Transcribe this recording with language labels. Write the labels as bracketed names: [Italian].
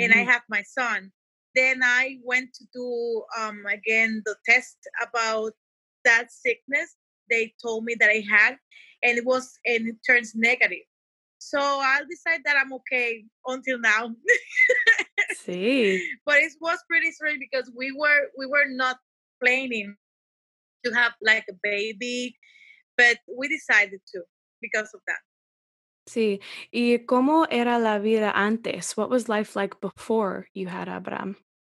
[English] and I have my son. Then I went to do again the test about that sickness they told me that I had, and it turns negative. So I'll decide that I'm okay until now. See, but it was pretty strange because we were not planning to have like a baby, but we decided to because of that. [Spanish] See, ¿y cómo era la vida antes? [English] What was life like before you had Abraham?